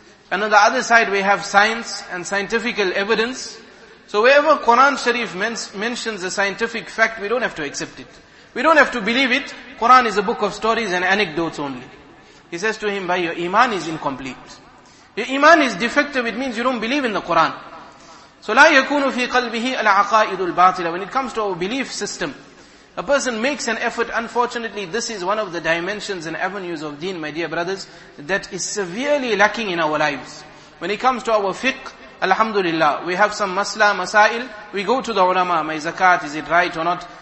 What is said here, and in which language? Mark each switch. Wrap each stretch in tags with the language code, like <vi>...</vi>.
<en>And on the other side we have science and scientific evidence. So wherever Quran Sharif mentions a scientific fact, we don't have to accept it. We don't have to believe it. Quran is a book of stories and anecdotes only. He says to him, "By your iman is incomplete. Your iman is defective. It means you don't believe in the Quran.</en> <ar>So لا يكون في قلبه العقائد الباطلة.</ar> <en>When it comes to our belief system, a person makes an effort. Unfortunately, this is one of the dimensions and avenues of deen, my dear brothers, that is severely lacking in our lives. When it comes to our fiqh, Alhamdulillah, we have some masla, masail, we go to the ulama, my zakat, is it right or not?</en>